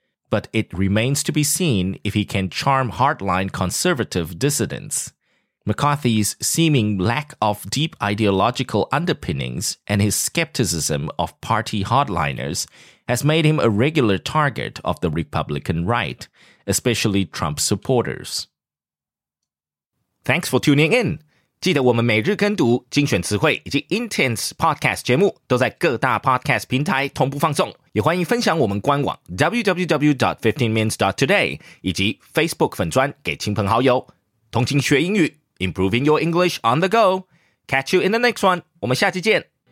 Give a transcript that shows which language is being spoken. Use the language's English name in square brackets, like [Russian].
[English] But it remains to be seen if he can charm hardline conservative dissidents. McCarthy's seeming lack of deep ideological underpinnings and his skepticism of party hardliners has made him a regular target of the Republican right, especially Trump supporters. Thanks for tuning in. [Chinese] 记得我们每日跟读精选词汇以及 Intense Podcast 节目都在各大 Podcast 平台同步放送。也欢迎分享我们官网 www.15mins.today 以及 Facebook 粉专给亲朋好友。同情学英语 [English] Improving your English on the go. Catch you in the next one. [Chinese] 我们下期见。